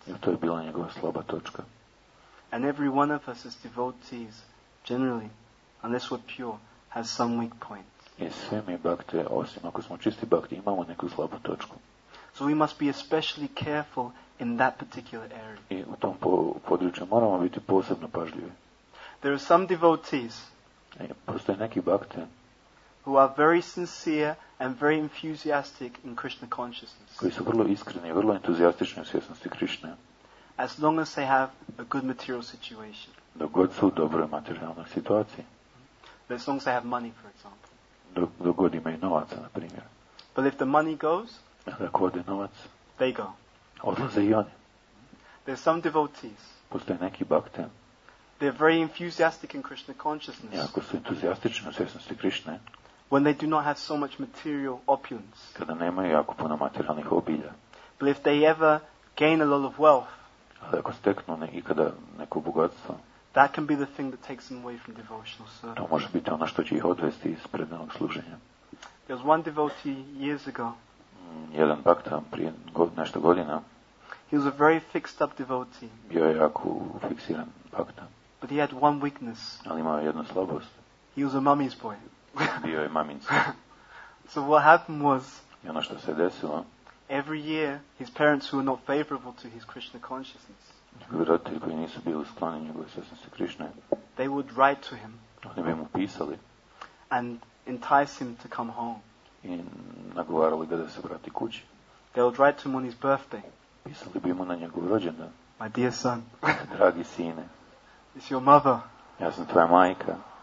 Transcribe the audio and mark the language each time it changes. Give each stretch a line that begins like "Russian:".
Croatian: I to je bila njegova slaba točka.
English: And every one of us as devotees, generally, unless we're pure, has some weak point.
Croatian: I svi mi bhakti, osim ako smo čisti bhakti, imamo neku slabu točku.
English: So we must be especially careful in that particular area.
Croatian: I u tom području moramo biti posebno pažljivi.
English: There are some devotees
Croatian: postoje neki bhakti
English: who are very sincere and very enthusiastic in Krishna consciousness.
Croatian: Koji su vrlo iskreni, vrlo entuzijastični u svjesnosti Krishna.
English: As long as they have a good material situation.
Croatian: Dok god su u dobroj materijalnoj situaciji.
English: As long as they have money, for example.
Croatian: Dok god imaju novaca, na primjer.
English: But if the money goes,
Croatian: ako ode novac,
English: they go.
Croatian: Odlaze i oni.
English: There's some devotees.
Croatian: Postoje neki bhakti.
English: They're very enthusiastic in Krishna consciousness.
Croatian: Jako su entuzijastični u svjesnosti Krishna.
English: When they do not have so much material opulence.
Croatian: Kada nemaju jako puno materijalnih obilja.
English: But if they ever gain a lot of wealth.
Croatian: Ali ako steknu ikada neko bogatstvo.
English: That can be the thing that takes them away from devotional service.
Croatian: To može biti ono što će ih odvesti iz predanog služenja.
English: There was one devotee years ago.
Croatian: Jedan bhakta prije nešto godina.
English: He was a very fixed up devotee.
Croatian: Bio je jako fiksiran bhakta.
English: But he had one weakness.
Croatian: Ali imao jednu slabost.
English: He was a mummy's boy.
Croatian: Bio je mamin.
English: So what happened was,
Croatian: i ono što se desilo,
English: every year his parents were not favorable to his Krishna consciousness.
Croatian: Njegovi roditelji koji nisu bili skloni njegovoj svjesnosti Krishna.
English: They would write to him.
Croatian: Oni bi mu pisali.
English: And entice him to come home.
Croatian: I nagovarali ga da se vrati kući.
English: They would write to him on his birthday.
Croatian: Pisali bi mu na njegov rođendan.
English: My dear son.
Croatian: Dragi sine.
English: It's your mother.
Croatian: Ja sam tvoja majka.